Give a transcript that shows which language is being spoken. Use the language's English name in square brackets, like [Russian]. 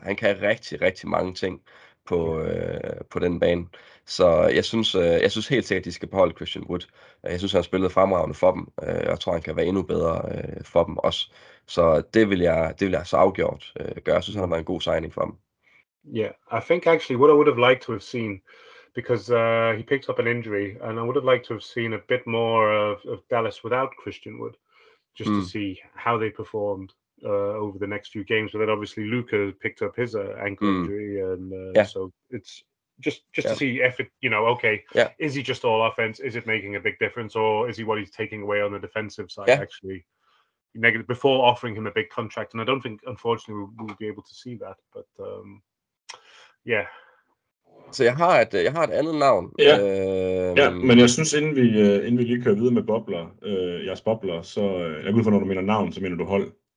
[Danish] Han kan rigtig, rigtig mange ting på den bane. Så jeg synes helt sikkert, at de skal beholde Christian Wood. Jeg synes, han har spillet fremragende for dem, og jeg tror, han kan være endnu bedre for dem også. Så det vil jeg så afgjort gøre. Jeg synes, han har været en god signing for dem. [English] Yeah, I think actually what I would have liked to have seen, because he picked up an injury, and I would have liked to have seen a bit more of Dallas without Christian Wood, just to see how they performed over the next few games. But then obviously Luka picked up his ankle injury, and so it's just to see if it, you know, okay, is he just all offense? Is it making a big difference, or is he what he's taking away on the defensive side actually? Negative before offering him a big contract, and I don't think, unfortunately, we'll be able to see that, but. [Danish] Så jeg har et andet navn. Ja. Ja, men jeg synes, inden vi lige kører videre med bobler, jeres bobler, så jeg ud fra, når du mener navn, så mener du hold.